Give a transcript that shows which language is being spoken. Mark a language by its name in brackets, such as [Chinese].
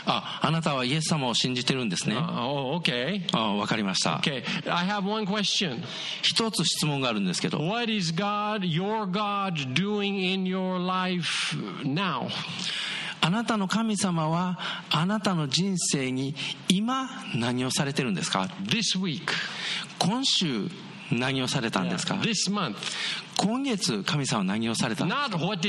[Japanese] あなたはイエス様を信じてるんですね。 [English] Oh, okay. [Japanese] わかりました。 [English] Okay. I have one question. [Japanese] 一つ質問があるんですけど。 [English] What is God, your God, doing in your life now? [Japanese] あなたの神様はあなたの人生に今何をされてるんですか。 [English] This week. [Japanese] 今週何をされたんですか。 [English] Yeah. This month. [Japanese] 今月神様は何をされたんですか。